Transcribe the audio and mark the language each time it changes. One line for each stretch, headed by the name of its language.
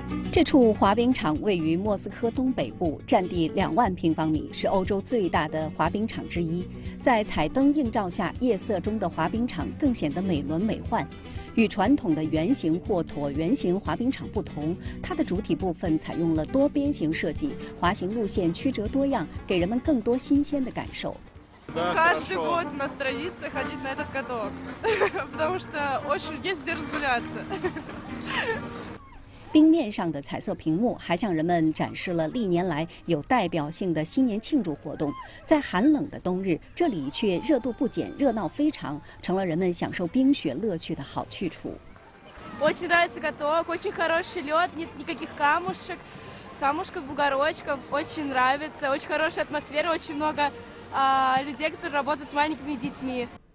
Chinese: 这处滑冰场位于莫斯科东北部，占地2万平方米，是欧洲最大的滑冰场之一。在彩灯映照下，夜色中的滑冰场更显得美轮美奂。与传统的圆形或椭圆形滑冰场不同，它的主体部分采用了多边形设计，滑行路线曲折多样，给人们更多新鲜的感受。
Russian: Каждый год у нас традиция ходить на этот каток, потому что очень есть где разгуляться.
Chinese: 冰面上的彩色屏幕还向人们展示了历年来有代表性的新年庆祝活动。在寒冷的冬日，这里却热度不减，热闹非常，成了人们享受冰雪乐趣的好去处。
Russian: Очень нравится каток, очень хороший лед, никаких камушков, бугорочков, очень нравится, очень хорошая атмосфера, очень много людей, которые работают с маленькими детьми.